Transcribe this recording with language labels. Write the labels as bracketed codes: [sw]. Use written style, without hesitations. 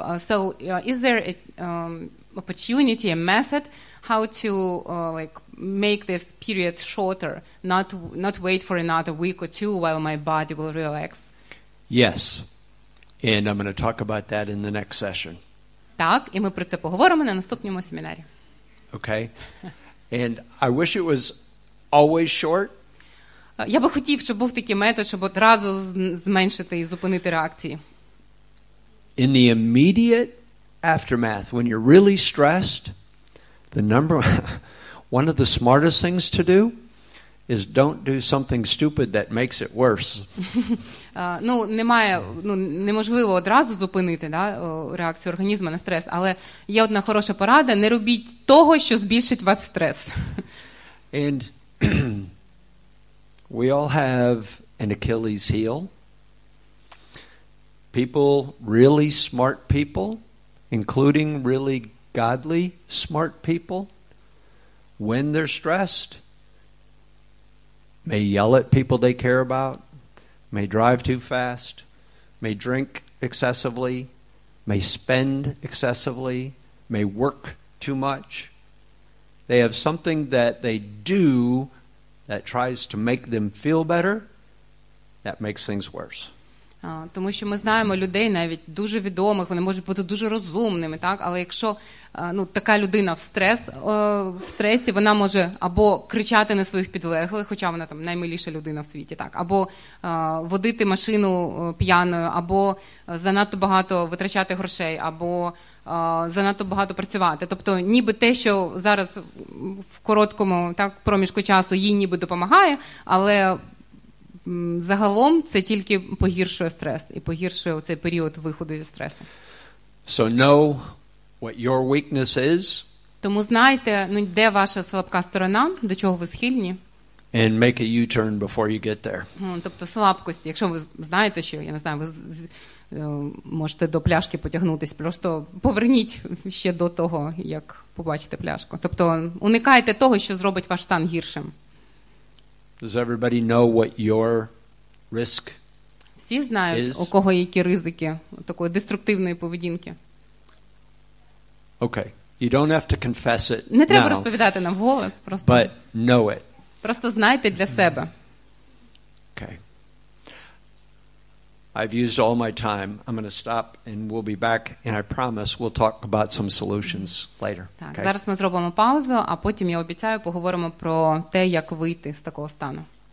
[en] Is there an opportunity, a method, how to like make this period shorter, not wait for another week or two while my body will relax? Yes, and I'm going to talk about that in the next session. [uk] Так, і ми про це поговоримо на наступному семінарі. [en] Okay. And I wish it was always short. [uk] Я би хотів, щоб був такий метод, щоб одразу зменшити і зупинити реакції. [en] in the immediate aftermath, when you're really stressed, the number one of the smartest things to do is don't do something stupid that makes it worse. [uk] Ну, немає, ну, неможливо одразу зупинити, да, реакцію організму на стрес, але є одна хороша порада: не робіть того, що збільшить вас стрес. [en] And we all have an Achilles heel. People, really smart people, including really godly smart people, when they're stressed, may yell at people they care about, may drive too fast, may drink excessively, may spend excessively, may work too much. They have something that they do that tries to make them feel better, that makes things worse. [uk] Тому що ми знаємо людей, навіть дуже відомих, вони можуть бути дуже розумними, так? Але якщо ну, така людина в стресі, вона може або кричати на своїх підлеглих, хоча вона там наймиліша людина в світі, так? Або водити машину п'яною, або занадто багато витрачати грошей, або занадто багато працювати. Тобто ніби те, що зараз в короткому так, проміжку часу їй ніби допомагає, але... Загалом це тільки погіршує стрес і погіршує цей період виходу зі стресу. [en] So know what your weakness is. [uk] Тому знайте, ну, де ваша слабка сторона, до чого ви схильні. [en] And make a U-turn before you get there. [uk] Тобто слабкості, якщо ви знаєте, що, я не знаю, ви можете до пляшки потягнутись, просто поверніть ще до того, як побачите пляшку. Тобто уникайте того, що зробить ваш стан гіршим. [en] Does everybody know what your risk is? [uk] Всі знають, у кого які ризики такої деструктивної поведінки. [en] Okay. You don't have to confess it. [uk] Не треба розповідати нам вголос, просто. [en] But know it. [uk] Просто знайте для себе. [en] Okay. I've used all my time. I'm going to stop and we'll be back and I promise we'll talk about some solutions later. [uk] Так, okay? Зараз ми зробимо паузу, а потім я обіцяю поговоримо про те, як вийти з такого стану.